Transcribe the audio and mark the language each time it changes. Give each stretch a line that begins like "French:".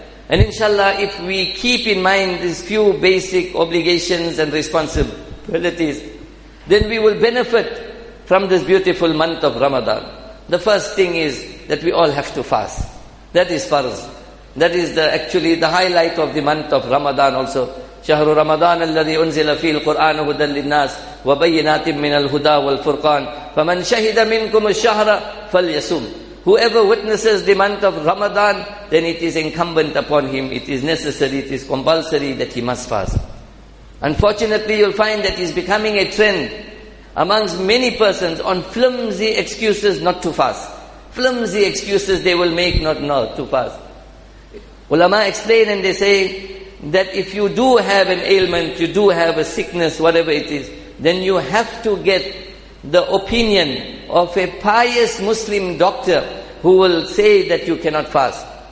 English: And inshallah, if we keep in mind these few basic obligations and responsibilities, then we will benefit from this beautiful month of Ramadan. The first thing is that we all have to fast. That is farz. That is actually the highlight of the month of Ramadan also.
Arabic: شهر رمضان الذي أنزل فيه القرآن هدى للناس وبينات من الهدى والفرقان فمن شهد منكم الشهر فليصوم.
English: Whoever witnesses the month of Ramadan, then it is incumbent upon him, it is necessary, it is compulsory that he must fast. Unfortunately, you'll find that it's becoming a trend amongst many persons on flimsy excuses not to fast. Flimsy excuses they will make not to fast. Ulama explain and they say that if you do have an ailment, you do have a sickness, whatever it is, then you have to get the opinion of a pious Muslim doctor who will say that you cannot fast.